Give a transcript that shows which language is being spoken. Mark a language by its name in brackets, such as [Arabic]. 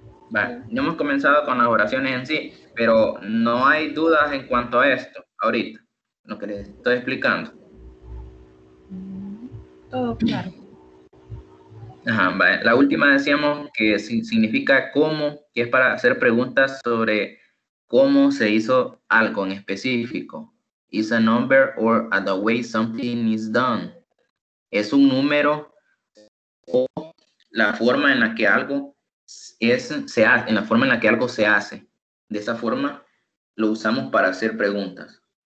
[Spanish] Vale, no hemos comenzado con las oraciones en sí, pero no hay dudas en cuanto a esto, ahorita, lo que les estoy explicando. Todo claro. Ajá, vale. La última decíamos que significa cómo, que es para hacer preguntas sobre cómo se hizo algo en específico. [English] Is a number or the way something is done. [Spanish] Es un número o la forma en la que algo en la forma en la que algo se hace. De esa forma lo usamos para hacer preguntas.